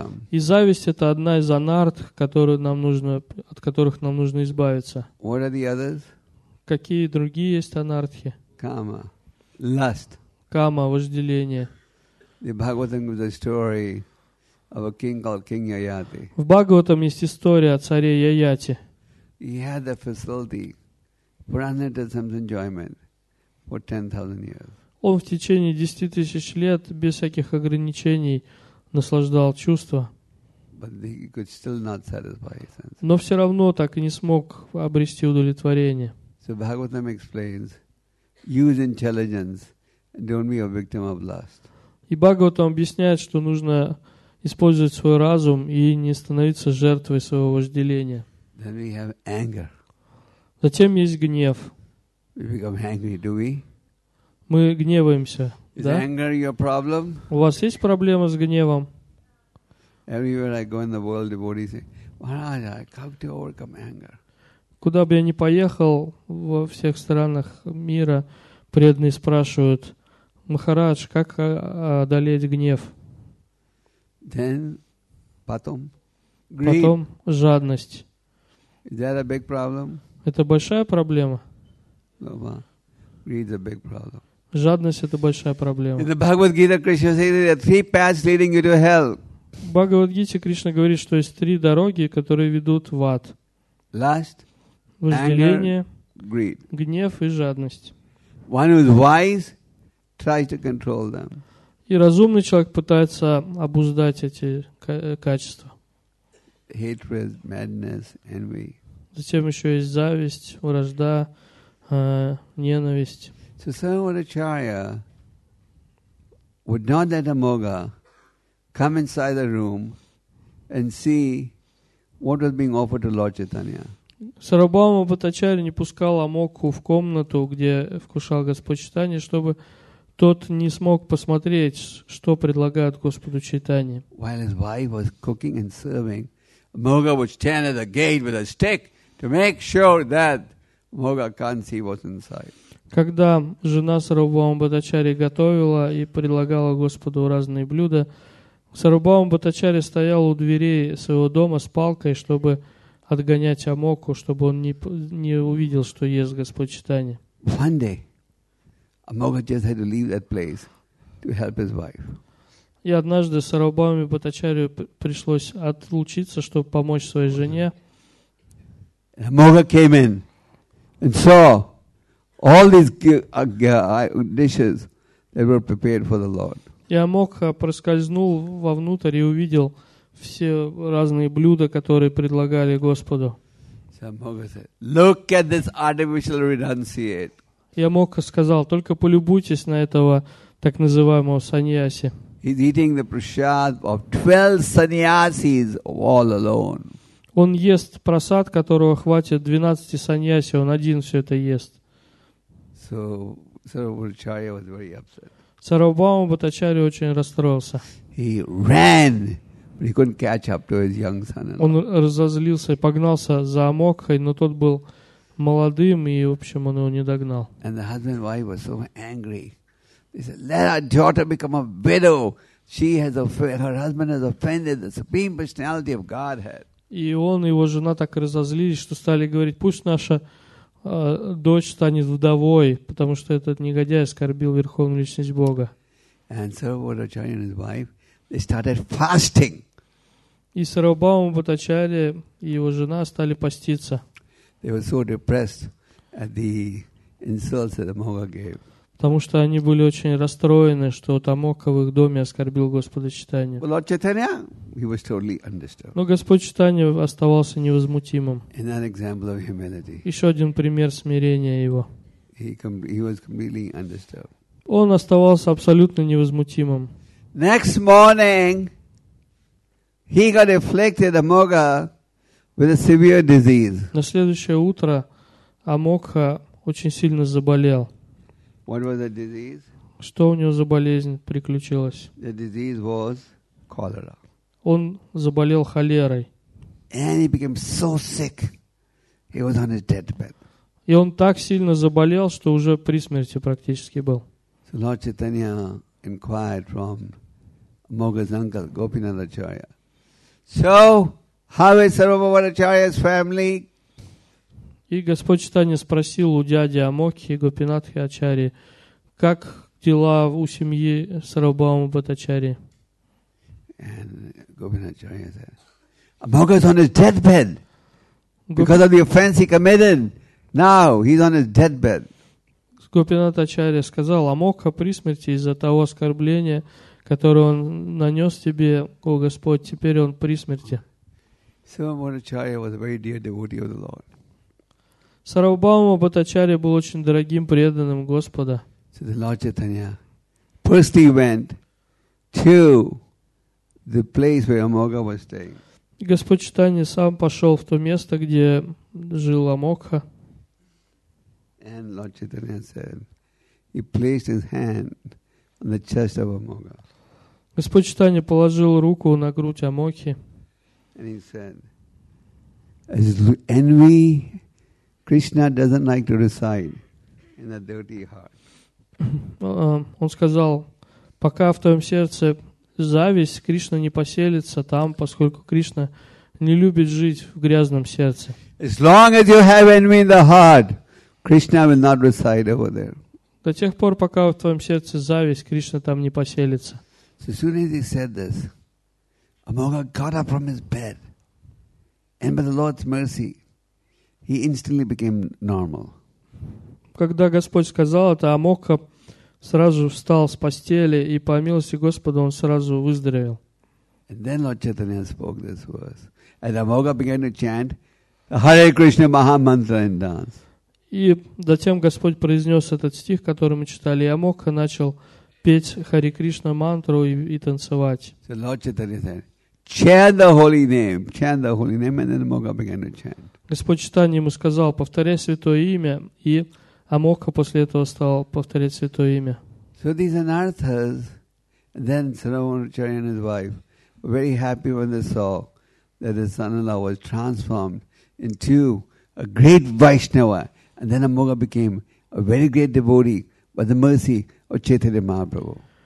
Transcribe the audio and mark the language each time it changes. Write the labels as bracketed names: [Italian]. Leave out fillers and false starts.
[Russian] И зависть — это одна из анартх, от которых нам нужно избавиться. [English] What are the others? [Russian] Какие другие есть анартхи? [English] Кама. Lust. [Russian] Кама, вожделение. [English] The Bhagavatam gives a story of a king called King Yayati. [Russian] В Бхагаватам есть история о царе Яяти. [English] He had the facility for unlimited enjoyment for 10,000 years. [Russian] Он в течение 10 000 лет без всяких ограничений наслаждал чувства. [English] But he could still not satisfy his senses. [Russian] Но все равно так и не смог обрести удовлетворение. [English] So Bhagavatam explains, use intelligence. Don't be a victim of lust. [Russian] И Бхагаватам объясняет, что нужно использовать свой разум и не становиться жертвой своего вожделения. [English] Then we have anger. [Russian] Затем есть гнев. [English] We become angry, do we? [Russian] Мы гневаемся, [English] is [Russian] да? [English] Anger your problem? [Russian] У вас есть проблема с гневом? [English] Everywhere I go in the world, devotees say, Maharaj, how to overcome anger? [Russian] Куда бы я ни поехал, во всех странах мира преданные спрашивают: Махарадж, как одолеть гнев? [English] Then, [Russian] потом, [English] greed. [Russian] Потом жадность. [English] Is that a big problem? [Russian] Это большая проблема? [English] Greed is a big problem. [Russian] Жадность — это большая проблема. [English] In the Bhagavad Gita, Krishna says there are 3 paths leading you to hell. [Russian] В Бхагавад-гите Кришна говорит, что есть 3 дороги, которые ведут в ад. [English] Lust, [Russian] вожделение, [English] anger, greed. [Russian] Гнев и жадность. [English] One who is wise tries to control them. [Russian] И разумный человек пытается обуздать эти качества. [English] Hatred, madness, envy. [Russian] Затем еще есть зависть, вражда, ненависть. [English] So Sarvabhattacharya would not let Amoga come inside the room and see what was being offered to Lord Chaitanya. [Russian] Сарвабхаума Бхаттачарья не пускал Амокху в комнату, где вкушал Господь Читания, чтобы тот не смог посмотреть, что предлагает Господу Чайтанья. [English] While his wife was cooking and serving, Moga would stand at the gate with a stick to make sure that Moga can't see what's inside. [Russian] Когда жена Сарубхама Бхаттачари готовила и предлагала Господу разные блюда, Сарубхама Бхаттачари стоял у дверей своего дома с палкой, чтобы отгонять Амоку, чтобы он не увидел, что ест Господь Чайтанья. [English] One day, Амока just had to leave that place to help his wife. [Russian] И однажды Сарубхаме Бхаттачари пришлось отлучиться, чтобы помочь своей жене. [English] Амока came in and saw all these dishes that were prepared for the Lord. [Russian] И Амока проскользнул вовнутрь и увидел все разные блюда, которые предлагали Господу. [English] Амока said, "Look at this artificial renunciate." [Russian] И Амока сказал: "Только полюбуйтесь на этого так называемого саньяси." [English] He's eating the prasad of 12 sannyasis all alone. [Russian] Он ест прасад, которого хватит 12 саньяси, он один все это ест. [English] So Sarubhacharya was very upset. [Russian] Сарубхама Бхаттачари очень расстроился. [English] He ran, but he couldn't catch up to his young son-in-law. [Russian] Он разозлился и погнался за Амокхой, но тот был молодым, и, в общем, он его не догнал. [English] And the husband and wife were so angry. They said, "Let our daughter become a widow. She has her husband has offended the supreme personality of Godhead." [Russian] И он и его жена так разозлились, что стали говорить: "Пусть наша дочь станет вдовой, потому что этот негодяй оскорбил верховную личность Бога." [English] And so Bhattacharya and his wife, they started fasting. [Russian] И Сарубхама Бхаттачари и его жена стали поститься. [English] They were so depressed at the insults that Amoga gave. [Russian] Потому что они были очень расстроены, что Амока в их доме оскорбил Господа Чайтанью. [English] Well, Lord Chaitanya, he was totally understood. [Russian] Но Господь Чайтанья оставался невозмутимым. [English] In that example of humility, [Russian] еще один пример смирения его. [English] He was completely understood. [Russian] Он оставался абсолютно невозмутимым. [English] Next morning, he got afflicted, Amoga, with a severe disease. [Russian] На следующее утро Амока очень сильно заболел. [English] What was the disease? [Russian] Что у него за болезнь приключилась? [English] The disease was cholera. [Russian] Он заболел холерой. [English] And he became so sick, he was on his deathbed. [Russian] И он так сильно заболел, что уже при смерти практически был. [English] So Lord Chaitanya inquired from Moga's uncle, Gopinath Acharya. So, how is Sarubhauma Acharya's family? [Russian] И Господь Чайтанья спросил у дяди Амокхи, Гопинатхи Ачари, как дела у семьи Сарубхама Бхаттачари. [English] And Gopinath Acharya said, "Amoga is on his deathbed because of the offense he committed. Now he's on his deathbed." [Russian] Гопинат Ачари сказал: "Амока при смерти из-за того оскорбления, которое он нанес тебе, о Господь, теперь он при смерти." [English] Sarubhauma Acharya was a very dear devotee of the Lord. [Russian] Сарубхама Бхаттачари был очень дорогим преданным Господа. [English] So the Lord Chaitanya personally went to the place where Amoga was staying. [Russian] Господь Чайтанья сам пошел в то место, где жил Амокха. [English] And Lord Chaitanya said, he placed his hand on the chest of Amoga. [Russian] Господь Чайтанья положил руку на грудь Амокхи. [English] And he said, as envy, Krishna doesn't like to reside in a dirty heart. [Russian] Он сказал: "Пока в твоем сердце зависть, Кришна не поселится там, поскольку Кришна не любит жить в грязном сердце." [English] As long as you have envy in the heart, Krishna will not reside over there. [Russian] До тех пор, пока в твоем сердце зависть, Кришна там не поселится. [English] So as soon as he said this, Amoga got up from his bed, and by the Lord's mercy, he instantly became normal. [Russian] Когда Господь сказал это, Амока сразу встал с постели, и по милости Господа он сразу выздоровел. [English] And then Lord Chaitanya spoke this verse. And Amoka began to chant Hare Krishna Maha Mantra and dance. [Russian] И затем Господь произнес этот стих, который мы читали, и Амока начал петь Hare Krishna мантру и танцевать. [English] So Lord Chaitanya said, chant the holy name, and then Amoka began to chant. [Russian] Господь Чайтанья ему сказал: "Повторяй святое имя", и Амока после этого стал повторять святое имя. [English] So these anarthas, then Saravana Charya and his wife, were very happy when they saw that his son-in-law was transformed into a great Vaishnava. And then Amoga became a very great devotee by the mercy of Chaitanya Mahaprabhu.